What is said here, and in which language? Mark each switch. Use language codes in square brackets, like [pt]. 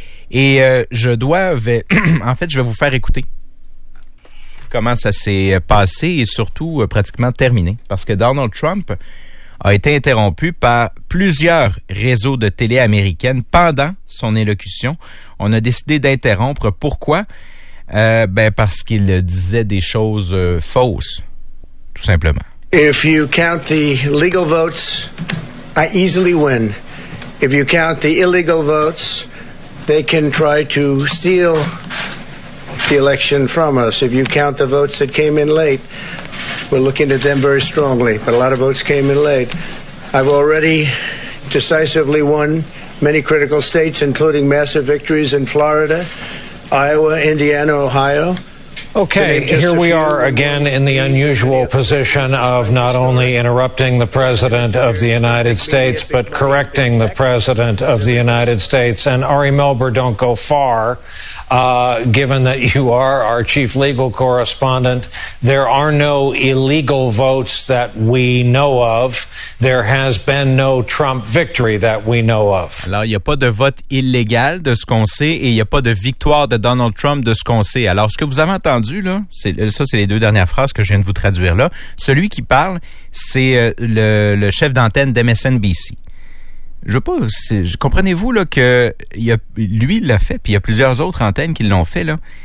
[fr] Et je vais vous faire écouter comment ça s'est passé et surtout pratiquement terminé. Parce que Donald Trump a été interrompu par plusieurs réseaux de télé américaines pendant son élocution. On a décidé d'interrompre. Pourquoi? Parce qu'il disait des choses fausses, tout simplement. [en] If you count the legal votes, I easily win. If you count the illegal votes, they can try to steal the election from us. If you count the votes that came in late, we're looking at them very strongly, but a lot of votes came in late. I've already decisively won many critical states, including massive victories in Florida, Iowa, Indiana, Ohio. Okay, here we are again in the unusual position of not only interrupting the President of the United States, but correcting the President of the United States. And Ari Melber, don't go far. given that you are our chief legal correspondent. There are no illegal votes that we know of. There has been no Trump victory that we know of. [fr] Alors, il n'y a pas de vote illégal de ce qu'on sait et il n'y a pas de victoire de Donald Trump de ce qu'on sait. Alors, ce que vous avez entendu, là, c'est, ça, c'est les deux dernières phrases que je viens de vous traduire là. Celui qui parle, c'est le chef d'antenne d'MSNBC. Je veux pas, comprenez-vous là que lui l'a fait, puis il y a plusieurs autres antennes qui l'ont fait là.